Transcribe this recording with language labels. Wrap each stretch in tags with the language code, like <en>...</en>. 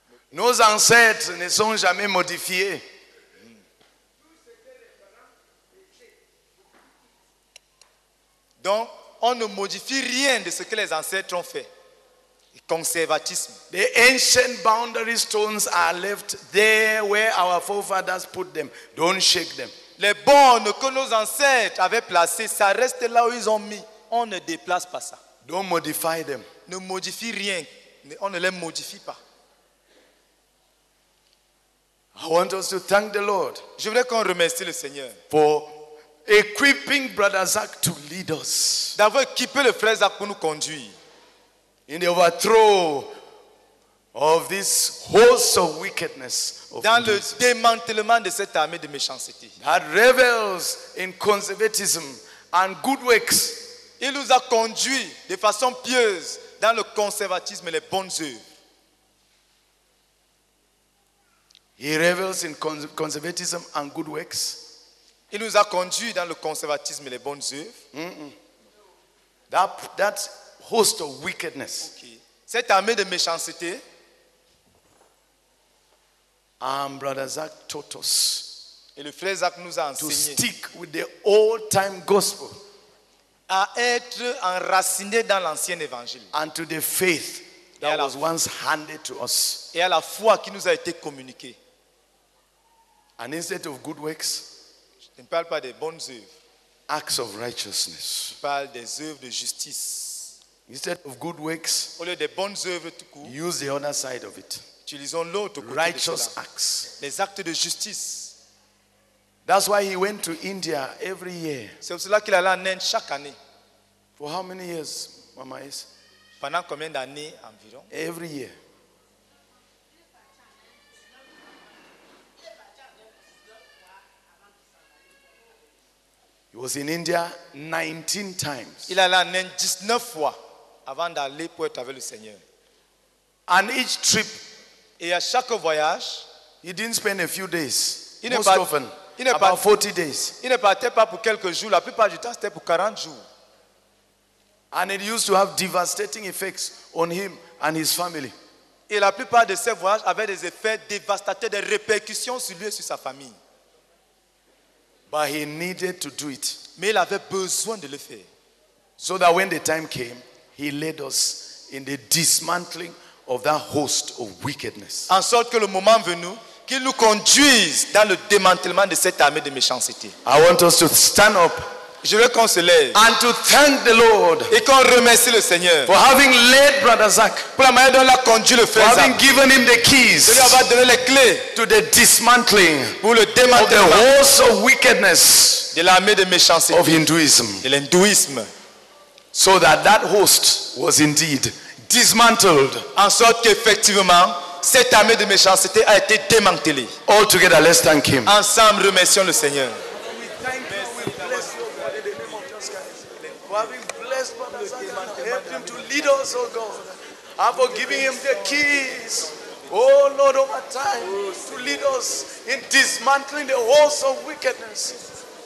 <fr>Nos ancêtres ne sont jamais modifiés. Donc, on ne modifie rien de ce que les ancêtres ont fait. Le conservatisme.</fr> <en>The ancient boundary stones are left there where our forefathers put them. Don't shake them.</en> <fr>Les bornes que nos ancêtres avaient placées, ça reste là où ils ont mis. On ne déplace pas ça.</fr> <en>Don't modify them.</en> <fr>Ne modifie rien. On ne les modifie pas.</fr> <en>I want us to thank the Lord.</en> <fr>Je voudrais qu'on remercie le Seigneur</fr> <en>for equipping Brother Zach to lead us.</en> <fr>D'avoir équipé le frère Zach pour nous conduire.</fr> <en>In the overthrow of this host of wickedness. Of</en> <fr>dans Jesus. Le démantèlement de cette armée de méchanceté.</fr> <en>That revels in conservatism and good works.</en> <fr>Il nous a conduit de façon pieuse dans le conservatisme et les bonnes œuvres.</fr> <en>He revels in conservatism and good works.</en> <fr>Il nous a conduit dans le conservatisme et les bonnes œuvres.</fr> <en>That host of wickedness.</en> <fr>Okay. Cette armée de méchanceté.</fr> <en>And Brother Zach taught us.</en> <fr>Et le frère Zach nous a enseigné.</fr> <en>To stick with the old time gospel.</en> <fr>À être enraciné dans l'ancien évangile.</fr> <en>And to the faith that was once handed to us.</en> <fr>Et à la foi qui nous a été communiquée.</fr> <en>And instead of good works,</en> <fr>je ne parle pas des bonnes œuvres.</fr> <en>Acts of righteousness.</en> <fr>Je parle des œuvres de justice.</fr> <en>Instead of good works,</en> <fr>au lieu des bonnes œuvres tout court,</fr> <en>use the other side of it.</en> <fr>Utilisons l'autre côté.</fr> <en>Righteous acts.</en> <fr>Les actes de justice.</fr> <en>That's why he went to India every year.</en> <fr>C'est pour cela qu'il allait en Inde chaque année.</fr> <en>For how many years, Mama is?</en> <fr>Pendant combien d'années environ?</fr> <en>Every year. Was in India 19 times.</en> <fr>Il allait en Inde 19 fois avant d'aller pour être avec le Seigneur.</fr> <en>And each trip,</en> <fr>et à chaque voyage,</fr> <en>he didn't spend a few days. About 40 days.</en> <fr>Il ne partait pas pour quelques jours. La plupart du temps, c'était pour 40 jours.</fr> <en>And it used to have devastating effects on him and his family.</en> <fr>Et la plupart de ses voyages avaient des effets dévastateurs, des répercussions sur lui et sur sa famille.</fr> <en>But he needed to do it.</en> <fr>Mais il avait besoin de le faire.</fr> <en>So that when the time came, he led us in the dismantling of that host of wickedness.</en> <fr>En sorte que le moment venu, qu'il nous conduise dans le démantèlement de cette armée de méchanceté.</fr> <en>I want us to stand up.</en> <fr>Je veux qu'on se lève.</fr> <en>And to thank the Lord.</en> <fr>Et qu'on remercie le Seigneur.</fr> <en>For having led Brother Zach.</en> <fr>Pour la manière dont il a conduit le frère</fr> <en>Zach. For having given him the keys.</en> <fr>De lui avoir donné les clés.</fr> <en>To the dismantling.</en> <fr>Pour le démantèlement.</fr> <en>Of the host of wickedness.</en> <fr>De l'armée de méchanceté.</fr> <en>Of Hinduism.</en> <fr>De l'hindouisme.</fr> <en>So that host was indeed dismantled.</en> <fr>En sorte qu'effectivement, cette armée de méchanceté a été démantelée.</fr> <en>All together, let's thank him.</en> <fr>Ensemble, remercions le Seigneur.</fr> <en>We thank you, we bless you, God, in the name of Jesus Christ. For having blessed Brother Zachary, helped him to lead us, oh God. And for giving him the keys, oh Lord, over time, to lead us in dismantling the hosts of wickedness.</en>